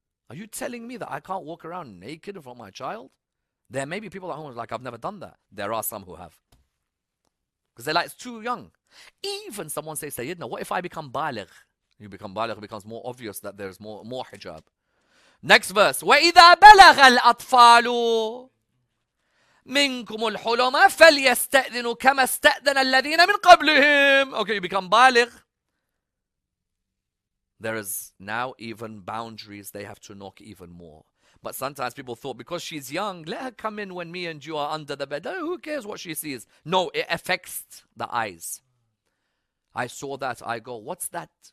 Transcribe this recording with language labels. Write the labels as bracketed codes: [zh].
[en] Are you telling me that I can't walk around naked in front of my child? There may be people at home who are like, I've never done that. There are some who have. Because they're like, it's too young. Even someone says, Sayyidina, what if I become baligh? You become baligh, it becomes more obvious that there's more hijab. Next verse. [ar] وَإِذَا بَلَغَ الْأَطْفَالُ مِنْكُمُ الْحُلُمَ فَلْيَسْتَأْذِنُوا كَمَا اسْتَأْذَنَ الَّذِينَ مِنْ قَبْلِهِمْ [en] Okay, you become baligh. There is now even boundaries they have to knock even more. But sometimes people thought, because she's young, let her come in when me and you are under the bed. Oh, who cares what she sees? No, it affects the eyes. I saw that. I go, what's that?